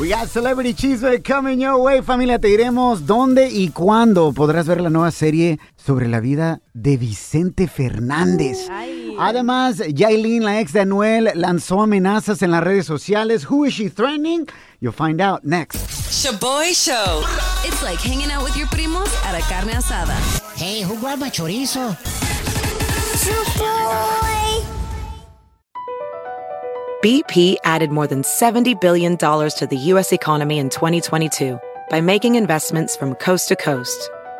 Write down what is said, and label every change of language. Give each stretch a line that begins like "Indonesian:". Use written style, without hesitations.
English: We got Celebrity Cheese coming your way, familia.
Spanish: Te diremos dónde y cuándo podrás ver la nueva serie sobre la vida de Vicente Fernández. Además, Yailin, la ex de Anuel, lanzó amenazas en las redes sociales.
English: Who is she threatening? You'll find out next. Shaboy Show. It's like hanging out with your primos at a carne asada. Hey, who grabbed my chorizo? BP added more than $70 billion to the U.S. economy in 2022 by making investments from coast to coast.